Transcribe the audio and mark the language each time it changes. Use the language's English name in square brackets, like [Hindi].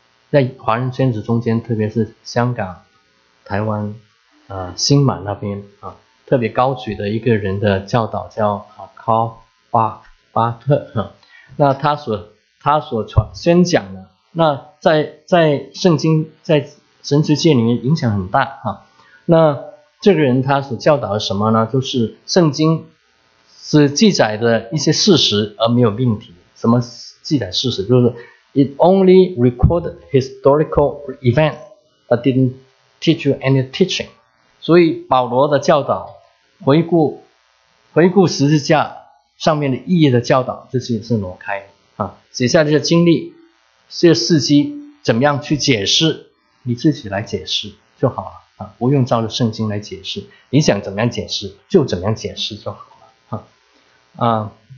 [Chinese] 在华人圈子中间，特别是香港台湾新马那边啊，特别高举的一个人的教导叫Carl巴特啊，那他所宣讲的，那在圣经在神学界里面影响很大啊。那这个人他所教导的什么呢？就是圣经是记载的一些事实而没有命题。什么记载事实？ [English] 就是 it only recorded historical event but didn't teach you any teaching。 [Chinese] 所以保罗的教导，回顾十字架上面的意义的教导，这些是挪开的。写下这些经历，这些事迹怎么样去解释，你自己来解释就好了啊，不用照着圣经来解释，你想怎么样解释就怎么样解释就好了啊。